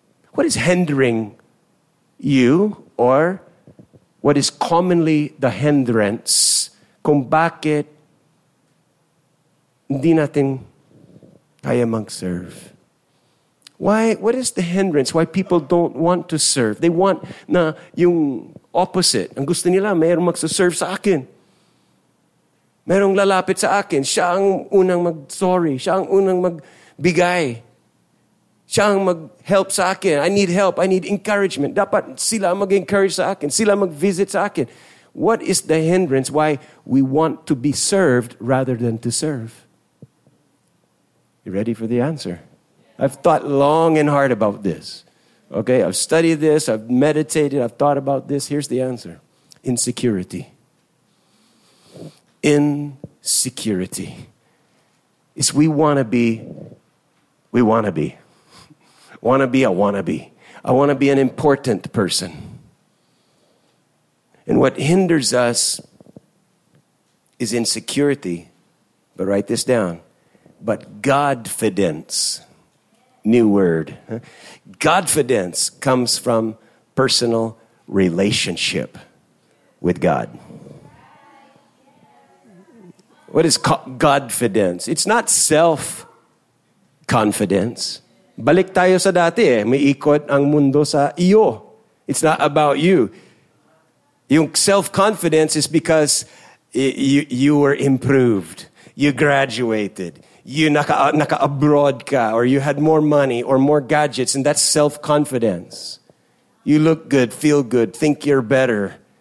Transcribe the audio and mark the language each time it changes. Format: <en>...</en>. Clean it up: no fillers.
<en>What is hindering you? Or what is commonly the hindrance</en> <tl>kung bakit hindi natin kaya mag-serve?</tl> <en>Why? What is the hindrance? Why people don't want to serve? They want</en> <tl>na yung</tl> <en>opposite.</en> <tl>Ang gusto nila, mayroong magsaserve sa akin. Mayroong lalapit sa akin. Siya ang unang mag-sorry. Siya ang unang magbigay. Siya ang mag-help sa akin.</tl> <en>I need help. I need encouragement.</en> <tl>Dapat sila mag-encourage sa akin. Sila mag-visit sa akin.</tl> <en>What is the hindrance why we want to be served rather than to serve? You ready for the answer? I've thought long and hard about this. Okay, I've studied this, I've meditated, I've thought about this. Here's the answer. Insecurity. Insecurity. It's we want to be. I want to be an important person. And what hinders us is insecurity. But write this down. But Godfidence. New word. Godfidence comes from personal relationship with God. What is Godfidence? It's not self-confidence.</en> <tl>Balik tayo sa dati eh. May ikot ang mundo sa iyo.</tl> <en>It's not about you. Yung self-confidence is because you were improved. You graduated. You</en> <tl>naka abroad ka,</tl> <en>or you had more money or more gadgets, and that's self-confidence. You look good, feel good, think you're better.</en>